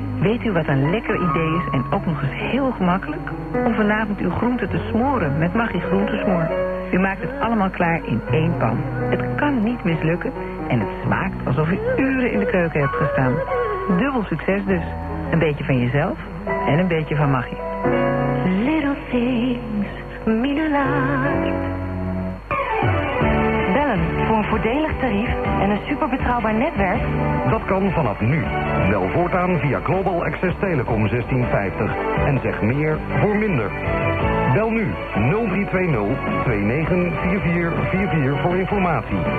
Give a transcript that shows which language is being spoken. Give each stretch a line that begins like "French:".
Dutch: Weet u wat een lekker idee is en ook nog eens heel gemakkelijk? Om vanavond uw groenten te smoren met Maggi Groentesmoor. U maakt het allemaal klaar in één pan. Het kan niet mislukken en het smaakt alsof u uren in de keuken hebt gestaan. Dubbel succes dus. Een beetje van jezelf en een beetje van Maggi.
English: Little things mean a lot.
Dutch: Bellen voor een voordelig tarief en een superbetrouwbaar netwerk? Dat kan vanaf nu. Bel voortaan via Global Access Telecom 1650 en zeg meer voor minder. Bel nu 0320 294444 voor informatie.